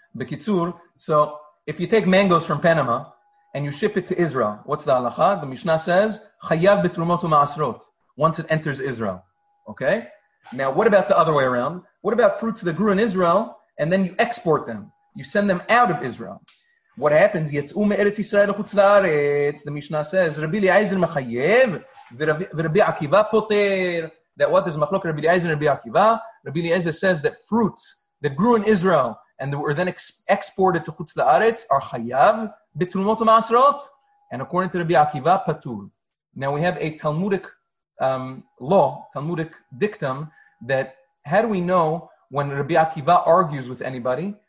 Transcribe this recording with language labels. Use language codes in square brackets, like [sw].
[he] בקיצור, [en] so if you take mangoes from Panama and you ship it to Israel, what's the halacha? The Mishnah says, [he] חייב בתרומות ומעשרות, [en] once it enters Israel. Okay? Now, what about the other way around? What about fruits that grew in Israel and then you export them? You send them out of Israel. What happens? [he] יצאו מארץ ישראל לחוץ לארץ. [en] The Mishnah says, [he] רבי אליעזר מחייב ורבי עקיבא פותר. [en] That what is [he] מחלוק רבי אליעזר ורבי עקיבא? [en] רבי אליעזר says that fruits that grew in Israel and that were then exported to חוץ לארץ are [he] חייב בתרומות ומעשרות. [en] And according to רבי עקיבא, פתור. Now we have a Talmudic law, Talmudic dictum, that how do we know when Rabbi Akiva argues with anybody?